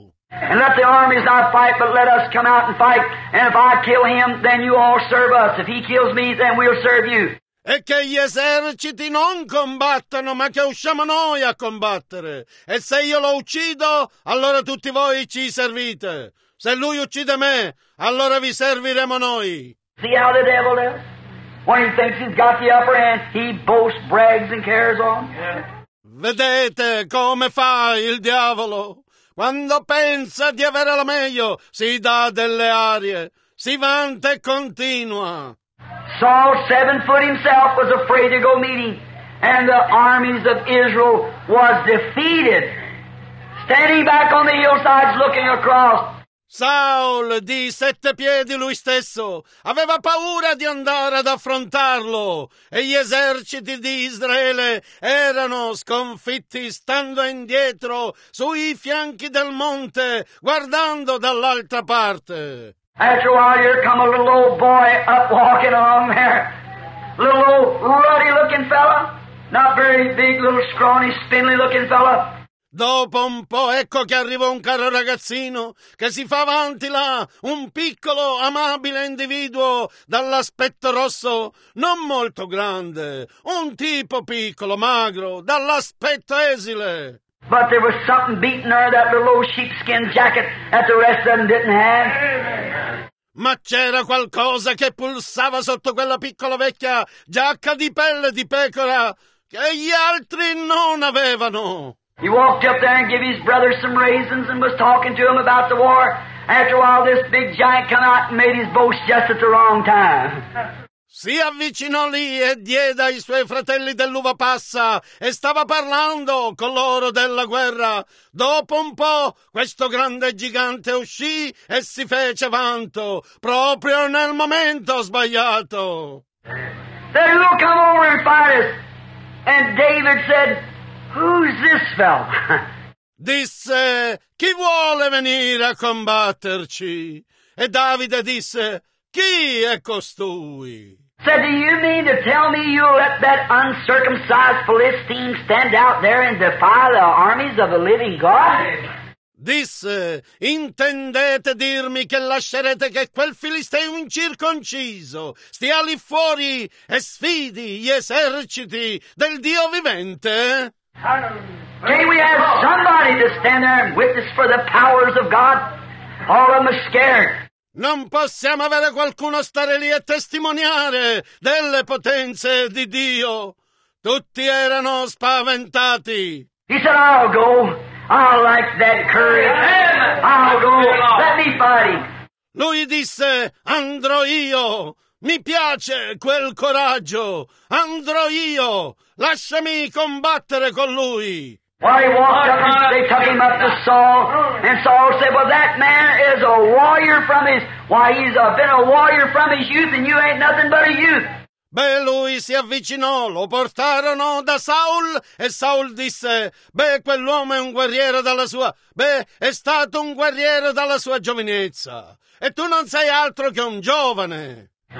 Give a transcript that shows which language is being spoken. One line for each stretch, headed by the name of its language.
English: And let the armies not fight, but let us come out and fight, and if I kill him, then you all serve us, if he kills me, then we'll serve you.
Italian: E che gli eserciti non combattano, ma che usciamo noi a combattere. E se io lo uccido, allora tutti voi ci servite. Se lui uccide me, allora vi serviremo noi.
English: See how the devil is? When he thinks he's got the upper hand, he boasts, brags and carries on. Yeah.
Italian: Vedete come fa il diavolo? Quando pensa di avere la meglio, si dà delle arie, si vanta e continua.
English: Saul, 7 foot himself, was afraid to go meet him, and the armies of Israel was defeated, standing back on the hillsides looking across.
Italian: Saul, di 7 piedi lui stesso, aveva paura di andare ad affrontarlo, e gli eserciti di Israele erano sconfitti stando indietro sui fianchi del monte, guardando dall'altra parte.
English: After a while, here come a little old boy up walking along there. Little old ruddy looking fella. Not very big, little scrawny, spindly looking fella.
Italian: Dopo un po', ecco che arriva un caro ragazzino che si fa avanti là, un piccolo, amabile individuo dall'aspetto rosso, non molto grande, un tipo piccolo, magro, dall'aspetto esile.
English: But there was something beating her, that little old sheepskin jacket that the rest of them didn't have.
Italian: Ma c'era qualcosa che pulsava sotto quella piccola vecchia giacca di pelle di pecora che gli altri non avevano.
English: He walked up there and gave his brother some raisins and was talking to him about the war. After a while, this big giant came out and made his boast just at the wrong time.
Italian: Si avvicinò lì e diede ai suoi fratelli dell'uva passa e stava parlando con loro della guerra. Dopo un po', questo grande gigante uscì e si fece vanto, proprio nel momento sbagliato.
English: Then he'll come over and fight us. And David said, who's this fellow?
Italian: Disse, chi vuole venire a combatterci? E Davide disse, chi è costui?
English: Said, do you mean to tell me you'll let that uncircumcised Philistine stand out there and defy the armies of the living God?
Italian: Disse, intendete dirmi che lascerete che quel Filisteo incirconciso stia lì fuori e sfidi gli eserciti del Dio vivente?
English: Can we have somebody to stand there and witness for the powers of God? All of them are scared.
Italian: Non possiamo avere qualcuno stare lì a testimoniare delle potenze di Dio. Tutti erano spaventati.
English: He said, I'll go. I like that courage. I'll go. Let me fight him.
Italian: Lui disse, andrò io. Mi piace quel coraggio. Andrò io. Lasciami combattere con lui.
English: While he walked up, they took him up to Saul, and Saul said, well, that man is a warrior from his, why, he's been a warrior from his youth, and you ain't nothing but a youth.
Italian: Beh, lui si avvicinò, lo portarono da Saul, e Saul disse, beh, quell'uomo è un guerriero dalla sua, beh, è stato un guerriero dalla sua giovinezza, e tu non sei altro che un giovane.